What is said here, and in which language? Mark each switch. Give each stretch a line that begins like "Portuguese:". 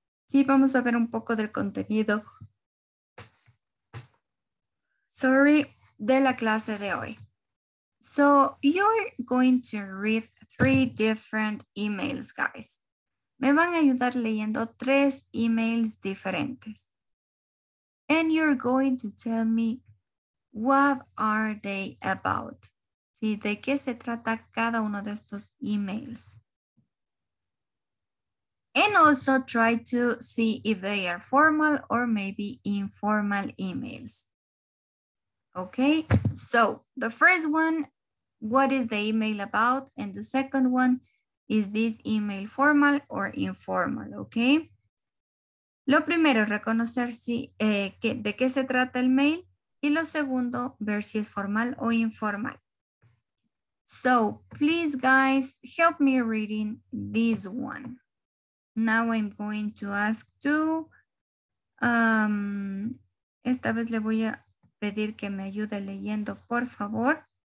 Spanish: Sí, vamos a ver un poco del contenido.
English: Sorry,
Spanish: de la clase de hoy.
English: So you're going to read three different emails, guys.
Spanish: Me van a ayudar leyendo tres emails diferentes.
English: And you're going to tell me what are they about?
Spanish: ¿Sí? ¿De qué se trata cada uno de estos emails?
English: And also try to see if they are formal or maybe informal emails. Okay, so the first one, what is the email about? And the second one, is this email formal or informal? Okay.
Spanish: Lo primero, reconocer si, de qué se trata el mail. Y lo segundo, ver si es formal o informal.
English: So, please guys, help me reading this one. Now I'm going to ask to...
Spanish: esta vez le voy a pedir que me ayude leyendo, por favor.